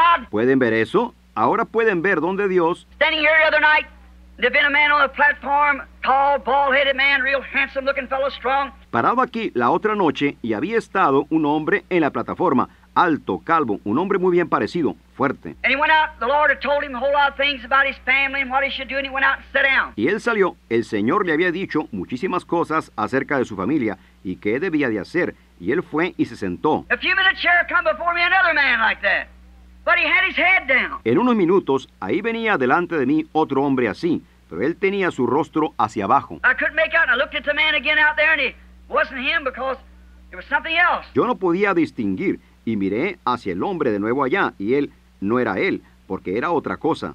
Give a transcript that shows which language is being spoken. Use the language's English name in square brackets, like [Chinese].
[Spanish] ¿Pueden ver eso? Ahora pueden ver dónde Dios. [English] Standing here the other night, there'd been a man on the platform, tall, bald-headed man, real handsome-looking fellow, strong. [Spanish] Parado aquí la otra noche y había estado un hombre en la plataforma. Alto, calvo, un hombre muy bien parecido, fuerte. [English] And he went out, the Lord had told him a whole lot of things about his family and what he should do, and he went out and sat down. [Spanish] Y él salió, el Señor le había dicho muchísimas cosas acerca de su familia y qué debía de hacer, y él fue y se sentó. [English] A few minutes here come before me another man like that, but he had his head down. [Spanish] En unos minutos, ahí venía delante de mí otro hombre así, pero él tenía su rostro hacia abajo. [English] I couldn't make out, and I looked at the man again out there, and it wasn't him because it was something else. [Spanish] Yo no podía distinguir. Y miré hacia el hombre de nuevo allá, y él no era él, porque era otra cosa.